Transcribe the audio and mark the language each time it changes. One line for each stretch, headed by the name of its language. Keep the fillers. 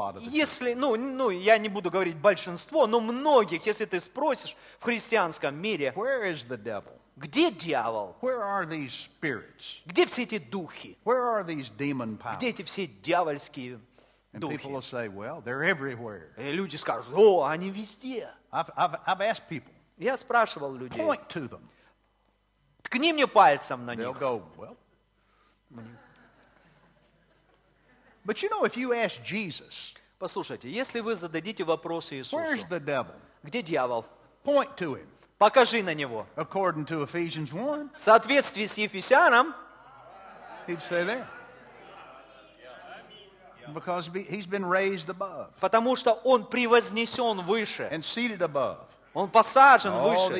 Russian: Если, ну, ну, я не буду говорить большинство, но многих, если ты спросишь в христианском мире,
English: where is the devil?
Russian: где дьявол?
English: Where are these spirits?
Russian: Где все эти духи?
English: Where are these demon powers?
Russian: Где эти все дьявольские And духи?
English: People will say, well, they're everywhere.
Russian: И люди скажут, о, они везде.
English: I've, I've, I've asked people,
Russian: я спрашивал людей,
English: Point to them.
Russian: ткни мне пальцем на них.
English: Go, well, But you know, if you ask Jesus,
Russian: Послушайте, если вы зададите вопрос Иисусу,
English: where's the devil?
Russian: где дьявол?
English: Point to him.
Russian: Покажи на него.
English: According to Ephesians 1,
Russian: в соответствии с Ефесянам,
English: he'd say there. Because he's been raised above.
Russian: Потому что он превознесен выше.
English: And seated above.
Russian: Он посажен All выше.